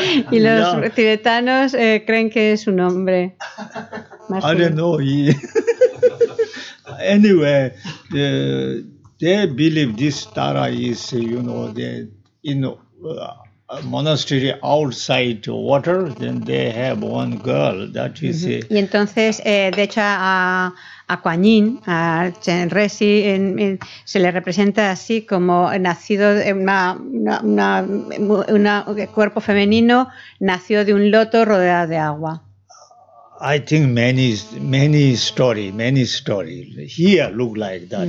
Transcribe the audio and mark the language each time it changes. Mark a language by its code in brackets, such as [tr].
[es] Y los tibetanos creen que es un hombre. [en] I don't know. Anyway, they believe this Tara is, you know, the in monastery outside water, then they have one girl that is. Mm-hmm. [es] Y entonces, de hecho, a Kuanyin, a Chen Resi, se le representa así como nacido de una cuerpo femenino, nació de un loto rodeado de agua. [en] I think many stories. Here look like that.